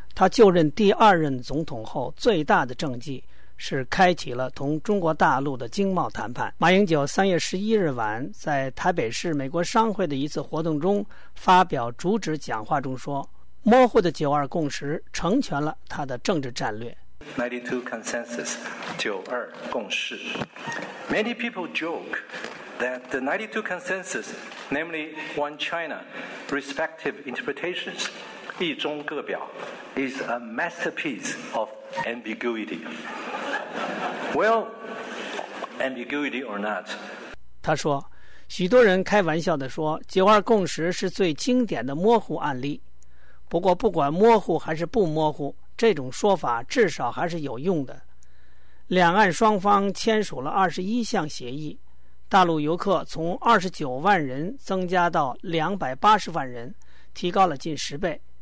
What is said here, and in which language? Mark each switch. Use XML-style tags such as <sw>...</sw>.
<zh>他就任第二任总统后最大的政绩是开启了同中国大陆的经贸谈判。马英九3月11日晚在台北市美国商会的一次活动中发表主旨讲话中说，模糊的九二共识成全了他的政治战略。</zh> <en>92 consensus, 92共识。 Many people joke that the 92 consensus, namely one China, respective interpretations, 一中各表, is a masterpiece of ambiguity. Well, ambiguity or not.</en> <zh>他说，许多人开玩笑地说，九二共识是最经典的模糊案例。不过不管模糊还是不模糊，这种说法至少还是有用的。两岸双方签署了21项协议，大陆游客从29万人增加到280万人，提高了近10倍。</zh>